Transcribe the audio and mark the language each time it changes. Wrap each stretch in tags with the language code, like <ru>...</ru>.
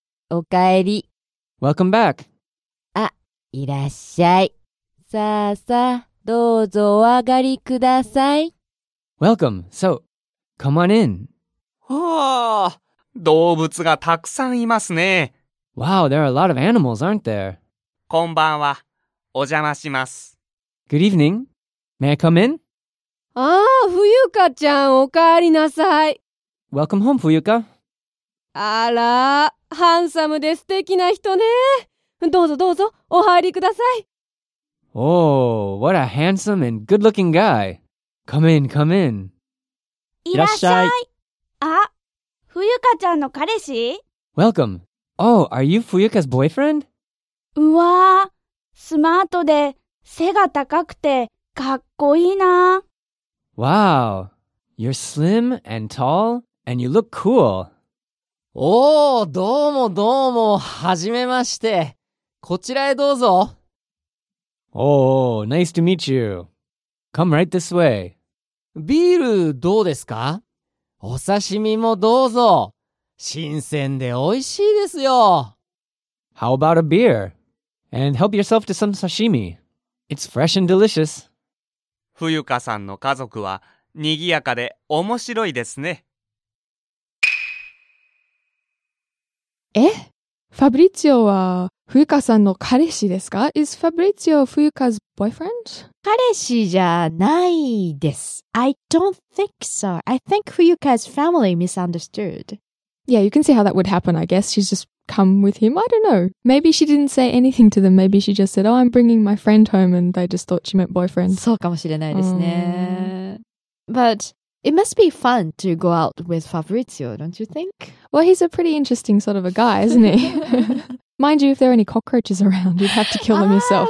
<ja>おかえり。</ja> <en>Welcome back.</en> <ja>あ、いらっしゃい。さあさあ、どうぞお上がりください。</ja> <en>Welcome. So, come on in.</en> <ja>わあ、動物がたくさんいますね。</ja> <en>Wow, there are a lot of animals, aren't there?</en> <ja>こんばんは。お邪魔します。</ja> <en>Good evening. May I come in?</en> <ja>ああ、ふゆかちゃん、お帰りなさい。</ja> <en>Welcome home, ふゆか。</en> <ja>あら、ハンサムで素敵な人ね。どうぞどうぞ、お入りください。</ja> <en>Oh, what a handsome and good-looking guy. Come in, come in.</en> <ja>いらっしゃい。あ、ふゆかちゃんの彼氏？</ja> <en>Welcome. Oh, are you Fuyuka's boyfriend?</en> <ja>うわー、スマートで背が高くてかっこいいな。</ja> <en>Wow, you're slim and tall and you look cool.</en> <ja>おお、どうもどうも、はじめまして。こちらへどうぞ。</ja> <en>Oh, nice to meet you. Come right this way.</en> <ja>ビールどうですか？お刺身もどうぞ。新鮮で美味しいですよ。</ja> <en>How about a beer? And help yourself to some sashimi. It's fresh and delicious.</en> <ja>ふゆかさんの家族は賑やかで面白いですね。え？ファブリツィオはふゆかさんの彼氏ですか？</ja> <en>Is Fabrizio Fuyuka's boyfriend?</en> <ja>彼氏じゃないです。</ja> <en>I don't think so. I think Fuyuka's family misunderstood. Yeah, you can see how that would happen, I guess. She's just come with him. I don't know. Maybe she didn't say anything to them. Maybe she just said, oh, I'm bringing my friend home, and they just thought she meant boyfriend.</en> <ja>そうかもしれないですね。</ja> <en>But... It must be fun to go out with Fabrizio, don't you think? Well, he's a pretty interesting sort of a guy, isn't he? Mind you, if there are any cockroaches around, you'd have to kill them yourself.</en>